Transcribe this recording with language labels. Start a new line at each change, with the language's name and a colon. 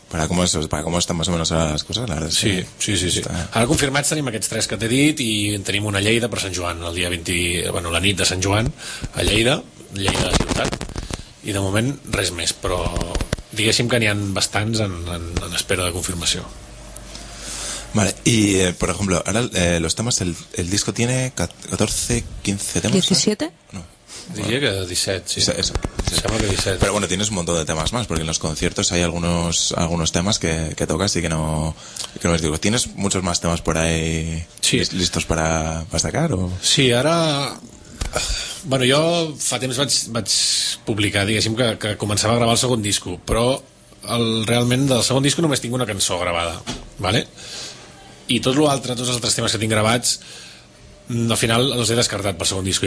Catalan: Per com estan més o menys les coses, la veritat. Sí, sí, sí, sí. Ara confirmats tenim aquests tres que t'he dit i tenim una a Lleida per Sant Joan, el dia 20, bueno, la nit de Sant Joan, a Lleida, Lleida de Ciutat, i de moment res més, però diguéssim que n'hi ha bastants en espera de confirmació.
Spanish: Vale, y por ejemplo, ahora los temas, el disco tiene 14, 15 temas. 17? No. Diría que 17, sí. Eso. Se llama que 17. Pero bueno, tienes un montón de temas más, porque en los conciertos hay algunos temas que tocas y que no les digo. ¿Tienes muchos más temas por ahí sí, listos para sacar? O? Sí, ahora.
Catalan: Bueno, jo fa temps vaig publicar, diguéssim, que començava a gravar el segon disco, però realment del segon disco només tinc una cançó gravada, ¿vale? I tot l'altre, tots els altres temes que tinc gravats, al final els he descartat pel segon disco.